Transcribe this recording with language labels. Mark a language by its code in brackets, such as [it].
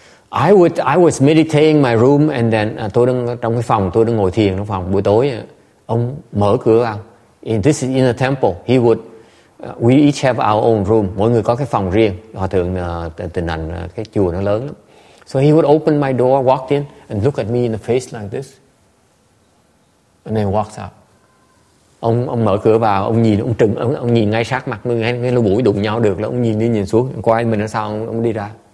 [en] I was meditating in my room and then [vi] tôi đang trong cái phòng, tôi đang ngồi thiền trong phòng buổi tối. Ông mở cửa ra. [en] This is in a temple. He would we each have our own room. [vi] Mỗi người có cái phòng riêng. Hòa thượng Tịnh Hạnh cái chùa nó lớn lắm. [en] So he would open my door, walked in, and look at me in the face like this. And then walks out. [vi] Ông mở cửa vào, ông nhìn, ông trừng, ông nhìn ngay sát mặt, ngay lỗ mũi đụng nhau được, là ông nhìn đi nhìn xuống, ông quay mình ra sau, ông đi ra.